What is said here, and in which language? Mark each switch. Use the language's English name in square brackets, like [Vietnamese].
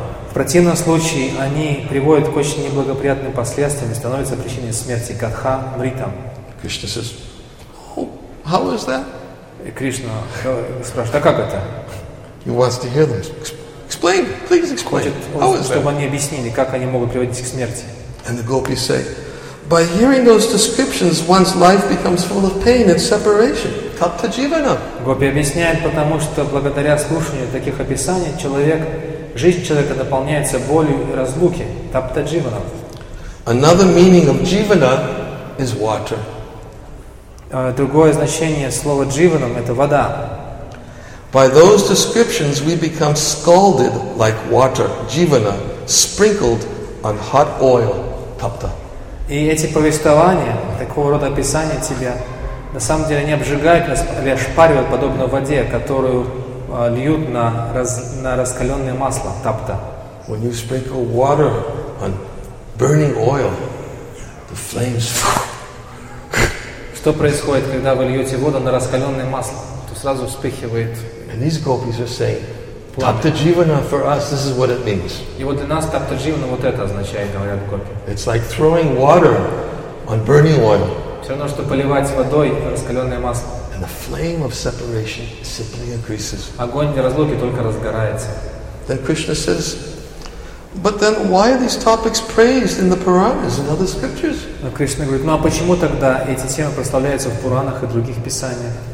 [Russian] В противном случае они приводят к очень неблагоприятным последствиям и становятся причиной смерти. Катха мритам. [English] Кришна says, oh, how is that? [Russian] И Кришна спрашивает, а как это? [English] He wants to hear them. Explain, please explain. [Russian] Хочет, чтобы они объяснили, как они могут приводить к смерти. [English] And the gopis say, by hearing those descriptions, one's life becomes full of pain and separation. [Sanskrit] Tatta jivana. [Russian] Гопи объясняет, потому что благодаря слушанию таких описаний человек, жизнь человека наполняется болью и разлуки. [Sanskrit] Tatta jivana. [English] Another meaning of jivana is water. [Russian] Другое значение слова jivanam это вода. [English] By those descriptions, we become scalded like water, jivana, sprinkled on hot oil, tapta. [Russian] И эти повествования, такого рода описания тебя, на самом деле не обжигают, а ошпаривают, подобно воде, которую льют на раскаленное масло, тапта. [English] When you sprinkle water on burning oil, the flames... [Russian] Что происходит, когда вы льете воду на раскаленное масло? То сразу вспыхивает... [English] And these gopis are saying, "Tapta jivana for us, this is what it means." [Russian] И вот для нас тапта дживана вот это означает, говорят гопи. [English] It's like throwing water on burning oil. [Russian] Все равно, что поливать водой раскаленное масло. [English] And the flame of separation simply increases. [Russian] Огонь неразлуки только разгорается. [English] Then Krishna says, "But then, why are these topics praised in the Puranas and other scriptures?" [Russian] Но Кришна говорит, ну а почему тогда эти темы прославляются в Пуранах и других писаниях?